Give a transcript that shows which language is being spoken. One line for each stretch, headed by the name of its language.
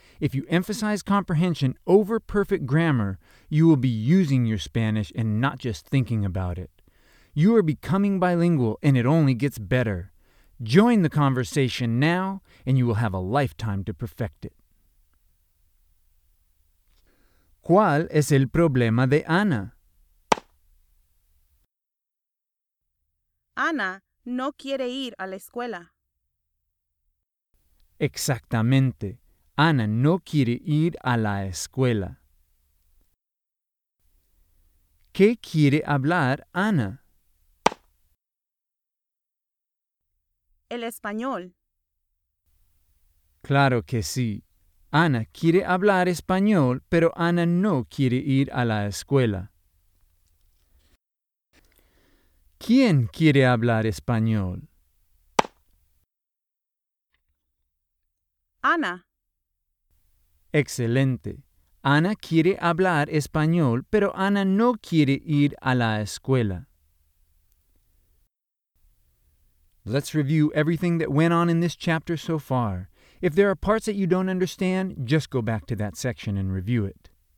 English: If you emphasize comprehension over perfect grammar, you will be using your Spanish and not just thinking about it. You are becoming bilingual, and it only gets better. Join the conversation now, and you will have a lifetime to perfect it.
Spanish: ¿Cuál es el problema de Ana? Ana no quiere ir a la escuela. Exactamente. Ana no quiere ir a la escuela. ¿Qué quiere hablar Ana? El español. Claro que sí. Ana quiere hablar español, pero Ana no quiere ir a la escuela. ¿Quién quiere hablar español? Ana. Excelente. Ana quiere hablar español, pero Ana no quiere ir a la escuela.
English: Let's review everything that went on in this chapter so far. If there are parts that you don't understand, just go back to that section and review it.